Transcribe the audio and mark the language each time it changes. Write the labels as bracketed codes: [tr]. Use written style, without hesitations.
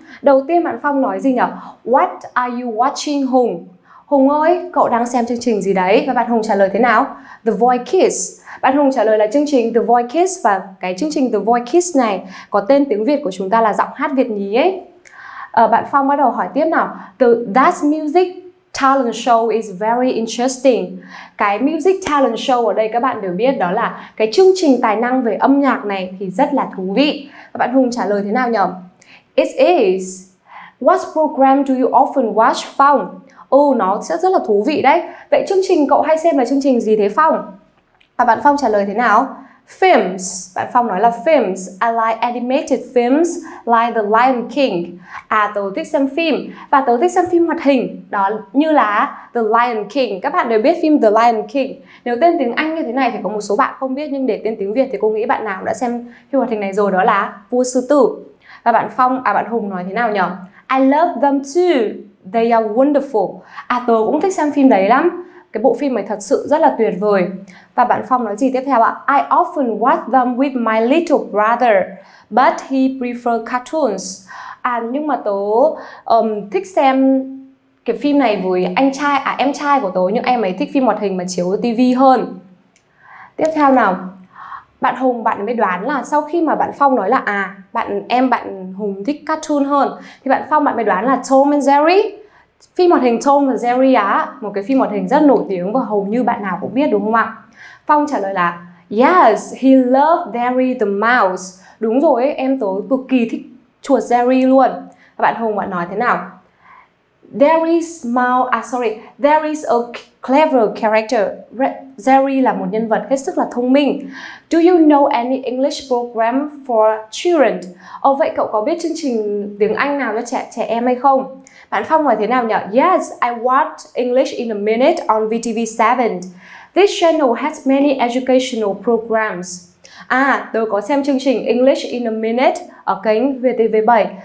[vi] Đầu tiên bạn Phong nói gì nhỉ? [en] What are you watching, Hùng? [vi] Hùng ơi, cậu đang xem chương trình gì đấy? Và bạn Hùng trả lời thế nào? The Voice Kids. Bạn Hùng trả lời là chương trình The Voice Kids. Và cái chương trình The Voice Kids này có tên tiếng Việt của chúng ta là Giọng Hát Việt Nhí ấy. Bạn Phong bắt đầu hỏi tiếp nào. [en] The That Music Talent Show is very interesting. [vi] Cái Music Talent Show ở đây các bạn đều biết đó là cái chương trình tài năng về âm nhạc này thì rất là thú vị. Và bạn Hùng trả lời thế nào nhỉ? [en] It is. What program do you often watch, Phong? [vi] Ừ, nó sẽ rất là thú vị đấy. Vậy chương trình cậu hay xem là chương trình gì thế, Phong? Và bạn Phong trả lời thế nào? Films. Bạn Phong nói là films. [en] I like animated films like The Lion King. [vi] À, tớ thích xem phim. Và tớ thích xem phim hoạt hình. Đó như là The Lion King. Các bạn đều biết phim The Lion King. Nếu tên tiếng Anh như thế này thì có một số bạn không biết. Nhưng để tên tiếng Việt thì cô nghĩ bạn nào đã xem phim hoạt hình này rồi. Đó là Vua Sư Tử. Và bạn Phong, à bạn Hùng nói thế nào nhỉ? [en] I love them too. They are wonderful. [vi] À, tớ cũng thích xem phim đấy lắm. Cái bộ phim này thật sự rất là tuyệt vời. Và bạn Phong nói gì tiếp theo ạ? [en] I often watch them with my little brother, but he prefers cartoons. [vi] À, nhưng mà tớ thích xem cái phim này với anh trai, à em trai của tớ, nhưng em ấy thích phim hoạt hình mà chiếu TV hơn. Tiếp theo nào? Bạn Hùng, bạn mới đoán là sau khi mà bạn Phong nói là à, bạn Hùng thích cartoon hơn, thì bạn Phong bạn mới đoán là Tom and Jerry. Phim hoạt hình Tom và Jerry á, một cái phim hoạt hình rất nổi tiếng và hầu như bạn nào cũng biết đúng không ạ? Phong trả lời là [en] yes, he loved Jerry the Mouse. [vi] Đúng rồi, em tớ cực kỳ thích chuột Jerry luôn. Bạn Hùng bạn nói thế nào? [en] There is a clever character. [vi] Jerry là một nhân vật hết sức là thông minh. [en] Do you know any English program for children? [vi] Ồ, vậy cậu có biết chương trình tiếng Anh nào cho trẻ em hay không? Bạn Phong hỏi thế nào nhỉ? [en] Yes, I watch English in a Minute on VTV7. This channel has many educational programs. [vi] À, tôi có xem chương trình English in a Minute ở kênh VTV7.